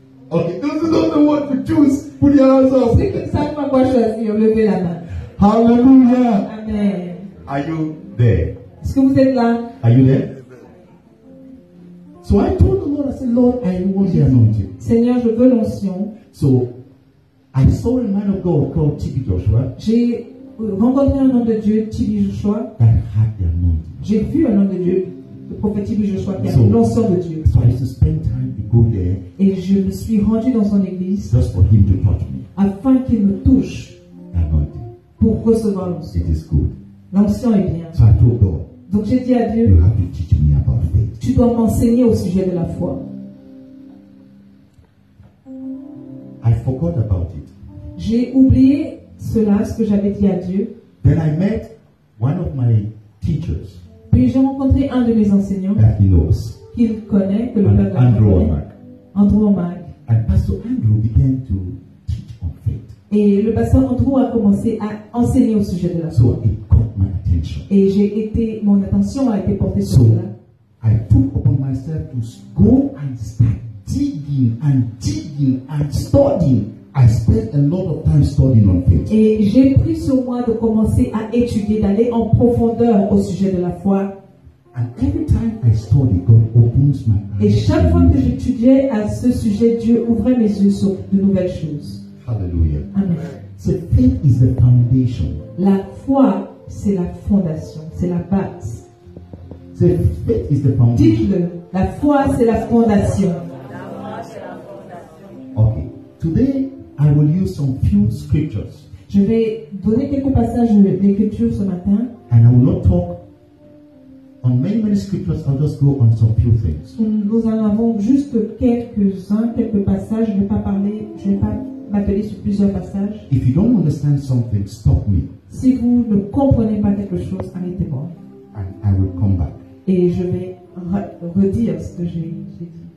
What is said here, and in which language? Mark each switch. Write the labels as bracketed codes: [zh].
[en] Okay, those who don't want to choose, put your hands up. [fr] Ceux qui ne savent pas quoi choisir, levez la main. Hallelujah. Amen. [en] Are you there? [fr] Est-ce que vous êtes là? [en] Are you there? So I told the Lord, I said, Lord, I want the anointing. [fr] Seigneur, je veux l'onction. [en] So I saw a man of God called Tibi Joshua. [fr] J'ai rencontré un homme de Dieu, Tibi Joshua. [en] That had the anointing. [fr] J'ai vu un homme de Dieu, le prophète Tibi Joshua, qui a l'onction de Dieu. [en] So I used to spend time to go there. [fr] Et je me suis rendu dans son église. [en] Just for him to touch me. [fr] Afin qu'il me touche. [en] Anointing. [fr] Pour recevoir l'onction. [en] It is good. [fr] L'onction est bien. [en] So I told God. [fr] Donc j'ai dit à Dieu. [en] You have to teach me about faith. [fr] Tu dois m'enseigner au sujet de la foi. [en] I forgot about it. [fr] J'ai oublié cela, ce que j'avais dit à Dieu. [en] Then I met one of my teachers. [fr] Puis j'ai rencontré un de mes enseignants qu'il connaît, que le père Andrew Mac. Andrew Mac. [en] And Pastor Andrew began to teach on faith. [fr] Et le pasteur Andrew a commencé à enseigner au sujet de la foi. [en] So it caught my attention. [fr] Et mon attention a été portée so sur cela. [en] I took upon myself to go and start digging and digging and studying. I spent a lot of time studying on faith. [fr] Et j'ai pris sur moi de commencer à étudier, d'aller en profondeur au sujet de la foi. [en] And every time I study, God opens my eyes. [fr] Et chaque fois que j'étudiais à ce sujet, Dieu ouvrait mes yeux sur de nouvelles choses. Hallelujah. Amen. [en] So faith is the foundation. [fr] La foi, c'est la fondation, c'est la base. [en] So faith is the foundation. [fr] Dites-le, la foi, c'est la fondation. [en] Today, I will use some few scriptures. [fr] Je vais donner quelques passages de l'écriture ce matin. [en] And I will not talk on many, many scriptures. I'll just go on some few things. [fr] Nous en avons juste quelques passages. Je ne vais pas m'atteler sur plusieurs passages. [en] If you don't understand something, stop me. [fr] Si vous ne comprenez pas quelque chose, arrêtez-moi. [en] And I will come back. [fr] Et je vais redire ce que j'ai dit.